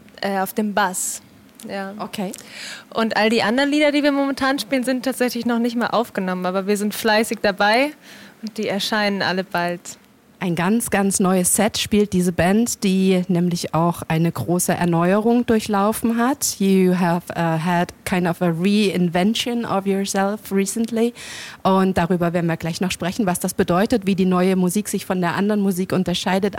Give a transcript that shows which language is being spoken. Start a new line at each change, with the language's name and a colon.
German: Auf dem Bass. Ja. Okay. Und all die anderen Lieder, die wir momentan spielen, sind tatsächlich noch nicht mal aufgenommen, aber wir sind fleißig dabei und die erscheinen alle bald. Ein ganz, ganz neues Set spielt diese Band, die nämlich auch eine große Erneuerung durchlaufen hat.
English: You have had kind of a reinvention of yourself recently.
German: Und darüber werden wir gleich noch sprechen, was das bedeutet, wie die neue Musik sich von der anderen Musik unterscheidet.